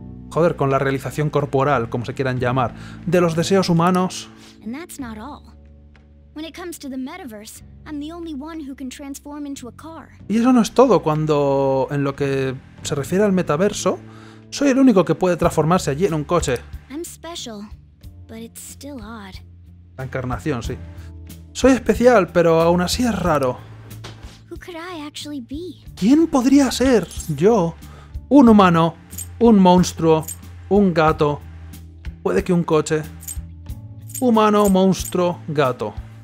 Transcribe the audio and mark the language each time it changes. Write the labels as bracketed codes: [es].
[es] Joder, con la realización corporal, como se quieran llamar. De los deseos humanos. [en] And that's not all. When it comes to the metaverse, I'm the only one who can transform into a car. [es] Y eso no es todo. Cuando en lo que se refiere al metaverso, soy el único que puede transformarse allí en un coche. [en] I'm special, but it's still odd. [es] La encarnación, sí. Soy especial, pero aún así es raro. [en] Who could I actually be? [es] ¿Quién podría ser yo? Un humano, un monstruo, un gato. Puede que un coche. Humano, monstruo, gato.